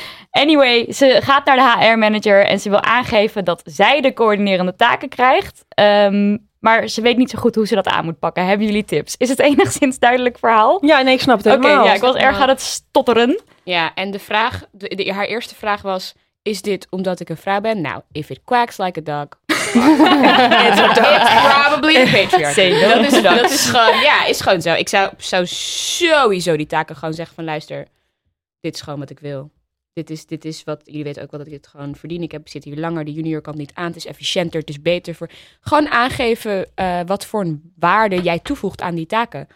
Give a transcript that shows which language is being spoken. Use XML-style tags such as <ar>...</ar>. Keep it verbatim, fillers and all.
<nl>Anyway, ze gaat naar de H R-manager en ze wil aangeven dat zij de coördinerende taken krijgt. Um, maar ze weet niet zo goed hoe ze dat aan moet pakken. Hebben jullie tips? Is het enigszins duidelijk verhaal? Ja, nee, ik snap het helemaal. Oké, okay, ja, ik was erg aan het stotteren. Ja, en de vraag, de, de, haar eerste vraag was, is dit omdat ik een vrouw ben?</nl> <en>Nou, if it quacks like a dog, it's, a dog. It's probably a patriarchy.</en> <nl>Dat is, dat is gewoon, ja, is gewoon zo. Ik zou, zou sowieso die taken gewoon zeggen van, luister, dit is gewoon wat ik wil. Dit is, dit is wat, jullie weten ook wel dat ik dit gewoon verdien. Ik heb, zit hier langer, de junior kan niet aan. Het is efficiënter, het is beter. Voor... Gewoon aangeven uh, wat voor een waarde jij toevoegt aan die taken.</nl>